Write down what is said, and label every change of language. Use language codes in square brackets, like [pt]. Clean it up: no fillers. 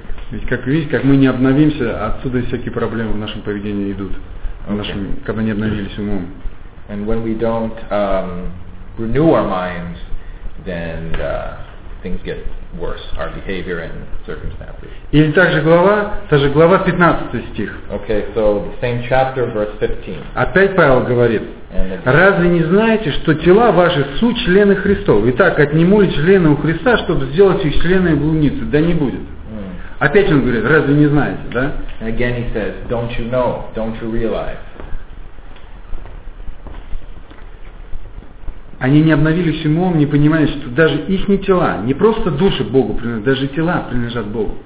[ru] Ведь как видите, как мы не обновимся, отсюда и всякие проблемы в нашем поведении идут. [en] Okay. [ru] В нашем, когда не обновились умом. [en] And when we don't renew our minds, then things get worse, our behavior and circumstances. [ru] Или та же глава, 15 стих. [en] Okay, so the same chapter, verse 15. [ru] Опять Павел говорит, разве не знаете, что тела ваши суть члены Христовы? Итак, отниму ли члены у Христа, чтобы сделать их членами блудницы? Да не будет. Опять он говорит, разве не знаете, да? [en] And again he says, don't you know, don't you realize? [ru] Они не обновились умом, не понимали, что даже их не тела, не просто души Богу принадлежат, даже тела принадлежат Богу.